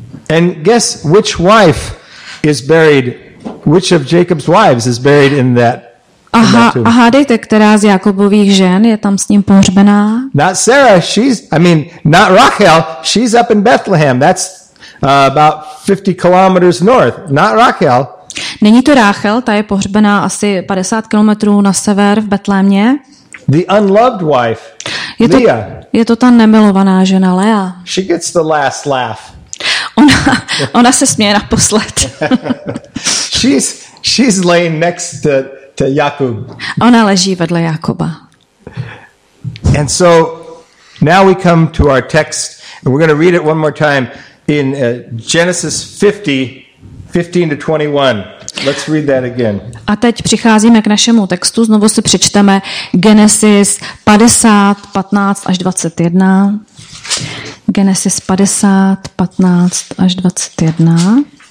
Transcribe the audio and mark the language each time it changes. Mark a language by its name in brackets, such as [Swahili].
[English] And guess which wife is buried, which of Jacob's wives is buried in that [Czech] A hádejte, která z Jakobových žen je tam s ním pohřbená? [English] Not Sarah, not Rachel, she's up in Bethlehem. That's about 50 kilometers north. Not Rachel. [Czech] Není to Rachel, ta je pohřbená asi 50 kilometrů na sever v Betlémě. [English] The unloved wife, Leah. [Czech] Je to ta nemilovaná žena, Leah. [English] She gets the last laugh. [Czech] Ona se směje naposled. [English] she's laying next to Jakub. [Czech] Ona leží vedle Jakoba. [English] And so now we come to our text and we're going to read it one more time in Genesis 50:15-21. Let's read that again. [Czech] A teď přicházíme k našemu textu, znovu si přečteme Genesis 50:15-21. Genesis 50:15-21.